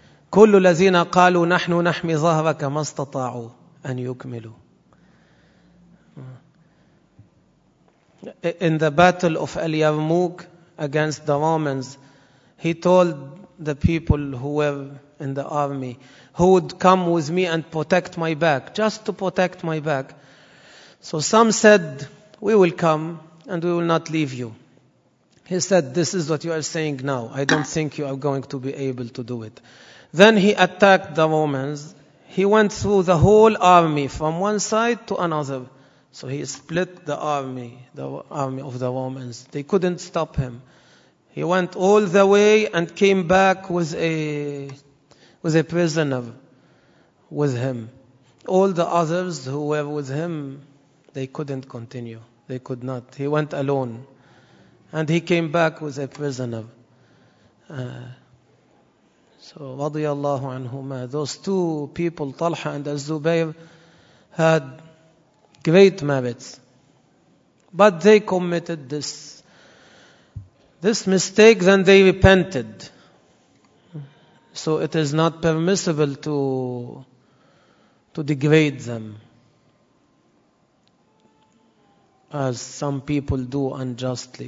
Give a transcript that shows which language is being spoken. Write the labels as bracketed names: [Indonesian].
[Arabic] كل الذين قالوا نحن نحمي ظهرك ما استطاعوا أن يكملوا. [English] In the battle of اليرموك against the Romans, he told the people who were in the army, who would come with me and protect my back, just to protect my back. So some said, we will come and we will not leave you. He said, this is what you are saying now. I don't think you are going to be able to do it. Then he attacked the Romans. He went through the whole army from one side to another. So he split the army of the Romans. They couldn't stop him. He went all the way and came back with a prisoner with him. All the others who were with him, they couldn't continue. They could not. He went alone. And he came back with a prisoner. So, [Arabic] رضي الله عنهما. [English] Those two people, Talha and Az-Zubayr, had great merits. But they committed this mistake, then they repented. So it is not permissible to degrade them, as some people do unjustly.